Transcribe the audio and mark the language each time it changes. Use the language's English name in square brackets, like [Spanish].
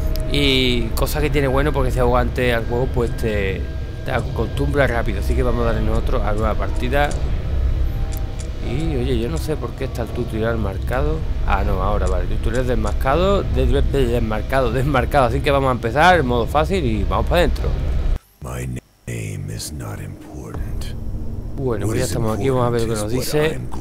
[Spanish] Y cosa que tiene bueno, porque si aguante al juego, pues te acostumbra rápido. Así que vamos a darle nosotros a nueva partida. Y oye, yo no sé por qué está el tutorial marcado. Ah, no, ahora vale, tutorial desmarcado, desmarcado. Así que vamos a empezar en modo fácil y vamos para adentro. [English] My name is not important. [Spanish] Bueno, pues ya estamos aquí, vamos a ver lo que nos dice.